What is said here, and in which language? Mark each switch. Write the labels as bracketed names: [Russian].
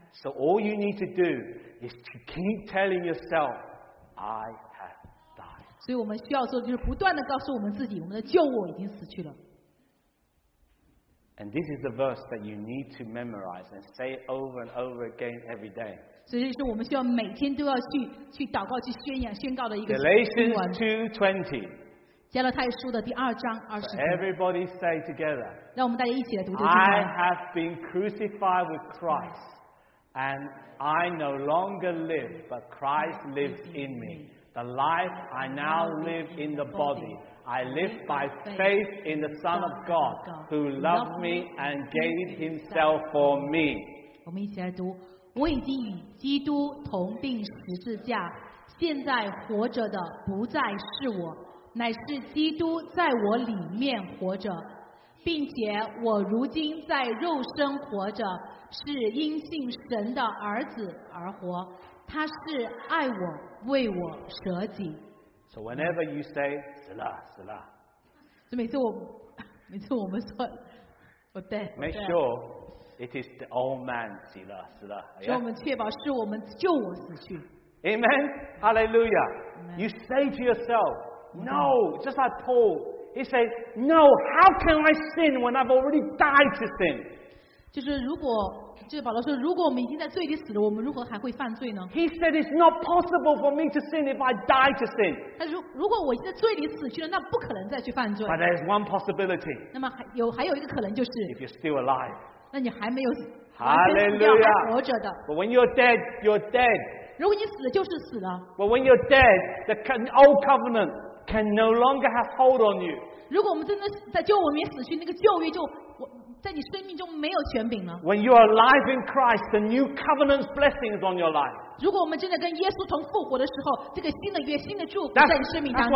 [English] So all you need to do is to keep telling yourself, I have died. [Chinese] 所以我们需要做就是不断的告诉我们自己，我们的旧我已经死去了。 [English] And this is the verse that you need to memorize and say over and over again every day. [Chinese] 所以说我们需要每天都要 去祷告去宣扬宣告的一个经文 Galatians 2:20 加勒太书的第二章二十节 [English] Everybody say together [Chinese] 让我们大家一起来读这句话 [English] I have been crucified with Christ and I no longer live but Christ lives in me the life I now live in the body I live by faith in the Son of God who loved me and gave himself for me [Chinese] 我们一起来读我已经与基督同钉十字架，现在活着的不再是我，乃是基督在我里面活着，并且我如今在肉身活着，是因信神的儿子而活，他是爱我，为我舍己。 [English] So whenever you say, [Chinese] 死了，死了。所以每次我们说，我对。 [English] Make sure. It is the old man, [Chinese] 死了，死了。所以我们确保是我们救我死去。 [English] Amen, Hallelujah. You say to yourself, No, just like Paul, he says, No, how can I sin when I've already died to sin? [Chinese] 就是如果，就是保罗说，如果我们已经在罪里死了，我们如何还会犯罪呢 [English] ？He said, It's not possible for me to sin if I die to sin. [Chinese] 但如果我已经在罪里死去了，那不可能再去犯罪。 [English] But there's one possibility. [Chinese] 那么还有一个可能就是 [English] ，If you're still alive. [Chinese] 那你还没有死， [English] Hallelujah. [Chinese] 还活着的。 [English] But when you're dead, you're dead. [Chinese] 如果你死了，就是死了。 [English] But when you're dead, the old covenant can no longer have hold on you. [Chinese] 如果我们真的在旧我里面死去，那个旧约就在你生命中没有权柄了。 [English] When you're alive in Christ, the new covenant's blessing is on your life. [Chinese] 如果我们真的跟耶稣从复活的时候，这个新的约、新的祝福在你生命当中的。